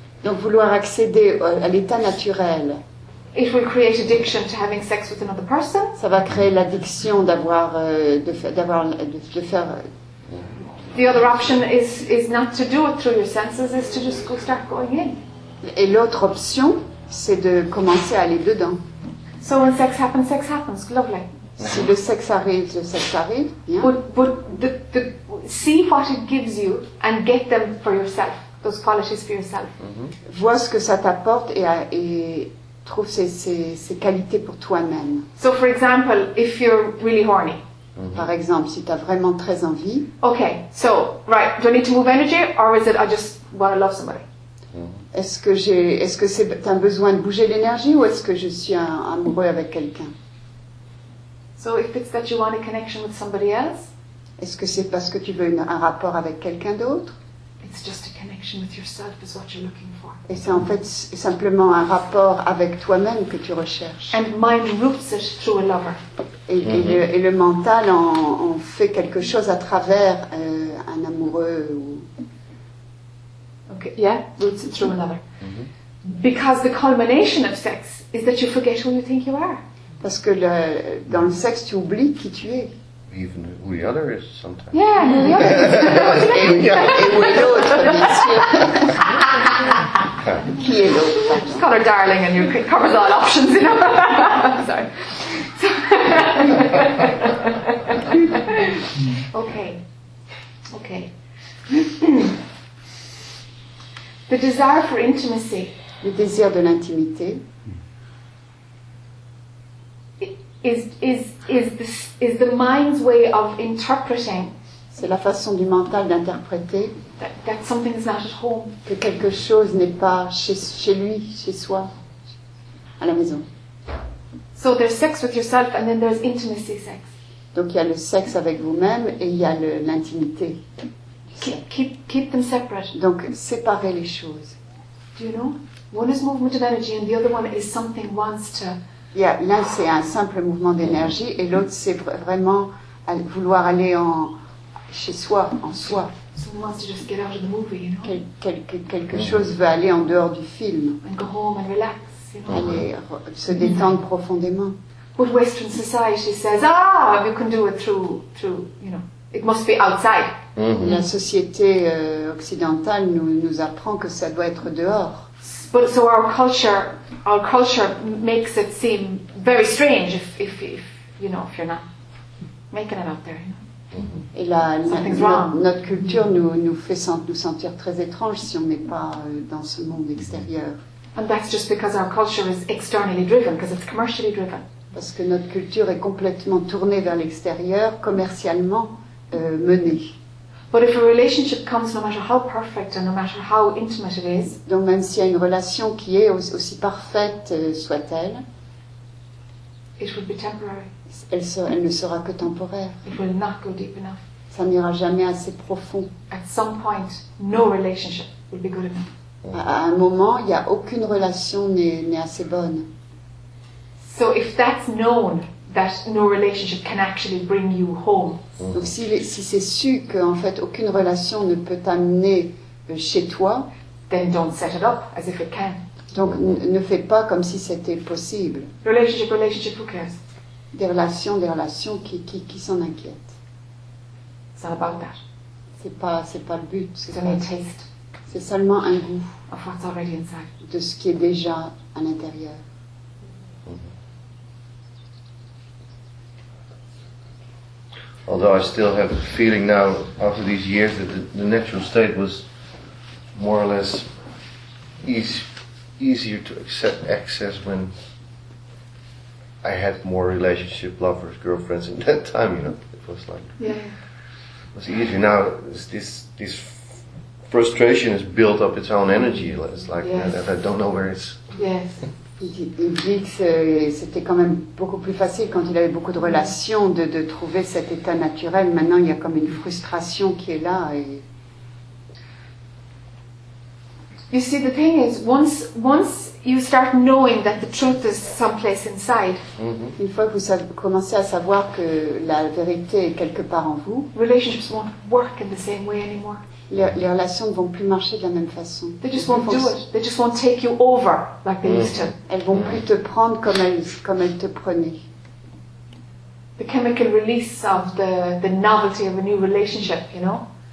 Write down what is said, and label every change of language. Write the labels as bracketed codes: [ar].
[fr] Donc vouloir accéder à l'état naturel. [en] It will create addiction to having sex with another person. [fr] Ça va créer l'addiction d'avoir de faire. [en] The other option is not to do it through your senses, is to just go start going in. [fr] Et l'autre option, c'est de commencer à aller dedans. [en] So when sex happens, sex happens. Lovely. [fr] Si le sexe arrive, le sexe arrive. Yeah. [en] But see what it gives you and get them for yourself, those qualities for yourself. Mm-hmm. [fr] Vois ce que ça t'apporte et trouve ces qualités pour toi-même. [en] So for example, if you're really horny. Mm-hmm. [fr] Par exemple, si tu as vraiment très envie. [en] Okay, so, right, do I need to move energy or is it I just want to love somebody? [fr] Est-ce que c'est un besoin de bouger l'énergie ou est-ce que je suis amoureux avec quelqu'un? [en] So if it's that you want a connection with somebody else? [fr] Est-ce que c'est parce que tu veux un rapport avec quelqu'un d'autre? [en] It's just a connection with yourself is what you're looking for. [fr] Et c'est en fait simplement un rapport avec toi-même que tu recherches. [en] And mind roots it through a lover. Et, mm-hmm. [fr] et le mental en fait quelque chose à travers un amoureux. Ou... [en] Okay, yeah, roots it through a lover. Mm-hmm. Because the culmination of sex is that you forget who you think you are. Parce que dans le sexe, tu oublies qui tu es. Yeah. even who the other is sometimes. Yeah, who the other is. Just call her darling and you covers all options, you know. Sorry. Okay. The desire for intimacy. [fr] Le désir de l'intimité. [en] Is the mind's way of interpreting. [fr] C'est la façon du mental d'interpréter. [en] That something is not at home. [fr] Que quelque chose n'est pas chez lui, chez soi, à la maison. [en] So there's sex with yourself and then there's intimacy sex. [fr] Donc il y a le sexe avec vous-même et il y a l'intimité. [en] Keep them separate. [fr] Donc séparer les choses. [en] Do you know? One is movement of energy and the other one is something wants to. [fr] Yeah, l'un c'est un simple mouvement d'énergie et l'autre c'est vraiment vouloir aller en chez soi, en soi. [en] Someone wants to just get out of the movie, you know. [fr] Quelque chose veut aller en dehors du film. [en] And go home and relax, you know. [fr] Aller se détendre profondément. [en] But Western society says, you can do it through, you know. It must be outside. Mm-hmm. [fr] La société occidentale nous apprend que ça doit être dehors. [en] But so our culture makes it seem very strange if you know if you're not making it out there. You know? Mm-hmm. [fr] Et notre culture nous fait sentir très étrange si on n'est pas dans ce monde extérieur. [en] And that's just because our culture is externally driven, because it's commercially driven. [fr] Parce que notre culture est complètement tournée vers l'extérieur, commercialement menée. [en] But if a relationship comes, no matter how perfect and no matter how intimate it is, [fr] donc même s'il y a une relation qui est aussi parfaite soit-elle, [en] it will be temporary. [fr] Elle ne sera que temporaire. [en] It will not go deep enough. [fr] Ça n'ira jamais assez profond. [en] At some point, no relationship will be good enough. [fr] À un moment, il n'y a aucune relation n'est assez bonne. [en] So if that's known, that no relationship can actually bring you home. [fr] Donc si c'est su qu'en fait aucune relation ne peut t'amener chez toi, [en] then don't set it up as if it can. [fr] Donc ne fais pas comme si c'était possible. [en] Relationship, who cares? [fr] Des relations qui s'en inquiètent. [en] It's not about that. [fr] C'est pas le but. [en] It's only a taste. [fr] C'est seulement un goût [en] of what's already inside. [fr] De ce qui est déjà à l'intérieur. [en] Although I still have a feeling now, after these years, that the natural state was more or less easier to access when I had more relationship, lovers, girlfriends in that time, you know. It was like, yeah. It was easier. Now, this frustration has built up its own energy. It's like, yes. That I don't know where it's... Yes. [fr] Il dit que c'était quand même beaucoup plus facile quand il avait beaucoup de relations de trouver cet état naturel. Maintenant, il y a comme une frustration qui est là. Et... [en] You see, the thing is, once you start knowing that the truth is someplace inside, mm-hmm. [fr] Une fois que vous commencez à savoir que la vérité est quelque part en vous, [en] relationships won't work in the same way anymore. [fr] Les relations ne vont plus marcher de la même façon. [en] They just won't do it. They just won't take you over like they used to. [fr] Elles vont plus te prendre comme elles te prenaient. [en] The chemical release of the novelty of a new relationship, you know.